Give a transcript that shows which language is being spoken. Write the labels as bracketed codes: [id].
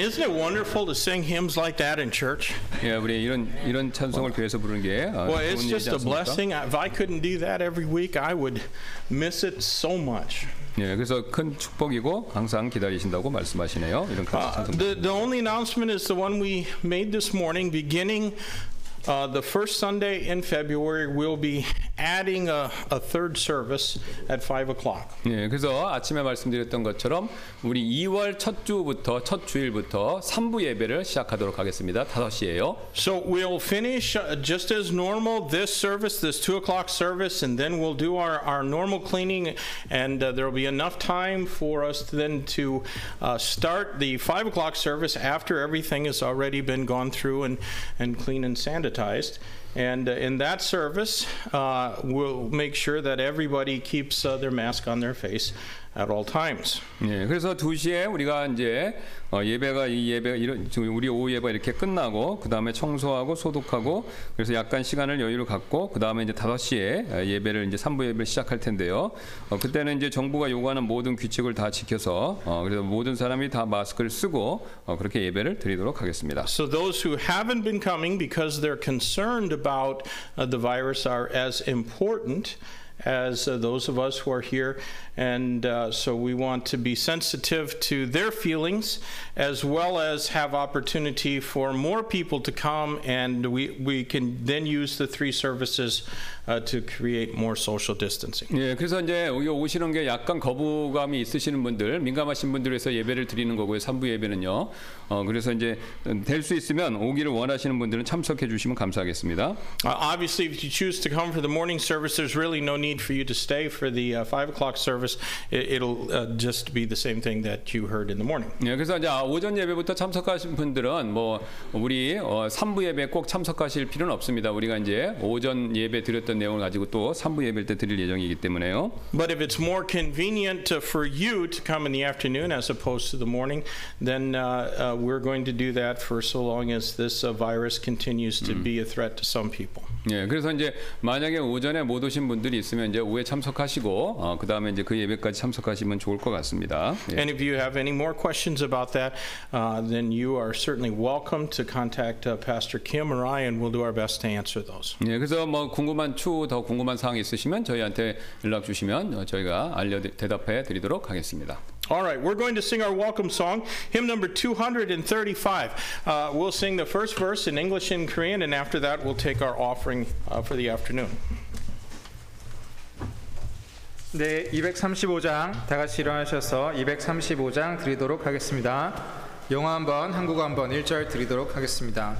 [en] Isn't it wonderful to sing hymns like that in church? [ko] Yeah, 우리 이런 찬송을 교회에서 부르는 게 좋은 일이지 않습니까? [en] Well, it's just a blessing. If I couldn't do that every week, I would miss it so much. [ko] 예, 그래서 큰 축복이고 항상 기다리신다고 말씀하시네요. 이런 찬송. [en] The only announcement is the one we made this morning, beginning The first Sunday in February, we'll be adding a third service at 5 o'clock. [ko] 예, 그래서 아침에 말씀드렸던 것처럼 우리 2월 첫 주부터, 첫 주일부터 3부 예배를 시작하도록 하겠습니다. 5시에요. [en] So we'll finish just as normal this service, this 2 o'clock service, and then we'll do our normal cleaning, and there'll be enough time for us then to start the 5 o'clock service after everything has already been gone through and cleaned and sanitized. And in that service, we'll make sure that everybody keeps their mask on their face at all times. [ko] 예, 그래서 2시에 우리가 이제 예배가 이 예배 이런 우리 오후 예배 이렇게 끝나고 그 다음에 청소하고 소독하고 그래서 약간 시간을 여유를 갖고 그 다음에 이제 5시에 예배를 이제 3부 예배를 시작할 텐데요. 그때는 이제 정부가 요구하는 모든 규칙을 다 지켜서 그래서 모든 사람이 다 마스크를 쓰고 그렇게 예배를 드리도록 하겠습니다. [en] So those who haven't been coming because they're concerned about the virus are as important as those of us who are here, and so we want to be sensitive to their feelings as well as have opportunity for more people to come, and we can then use the three services to create more social distancing. [ko] 예, 그래서 이제 오시는 게 약간 거부감이 있으시는 분들, 민감하신 분들 위해서 예배를 드리는 거고요. 3부 예배는요. 그래서 이제 될 수 있으면 오기를 원하시는 분들은 참석해 주시면 감사하겠습니다. [en] Obviously, if you choose to come for the morning service, there's really no need for you to stay for the 5 o'clock service. It'll just be the same thing that you heard in the morning. [ko] 예, 그래서 이제 오전 예배부터 참석하신 분들은 뭐 우리 3부 예배 꼭 참석하실 필요는 없습니다. 우리가 이제 오전 예배 드려 어떤 내용을 가지고 또 3부 예배 때 드릴 예정이기 때문에요. [en] But if it's more convenient for you to come in the afternoon as opposed to the morning, then we're going to do that for so long as this virus continues to be a threat to some people. [ko] 예, 그래서 이제 만약에 오전에 못 오신 분들이 있으면 이제 오후에 참석하시고 그다음에 이제 그 예배까지 참석하시면 좋을 것 같습니다. 예. [en] And if you have any more questions about that, then you are certainly welcome to contact Pastor Kim or I and we'll do our best to answer those. [ko] 예, 그래서 뭐 더 궁금한 사항 있으시면 저희한테 연락 주시면 저희가 대답해 드리도록 하겠습니다. [en] All right, we're going to sing our welcome song, hymn number 235. We'll sing the first verse in English and Korean, and after that we'll take our offering for the afternoon. [ko] 네, 235장 다 같이 일어나셔서 235장 드리도록 하겠습니다. 영어 한번, 한국어 한번 1절 드리도록 하겠습니다.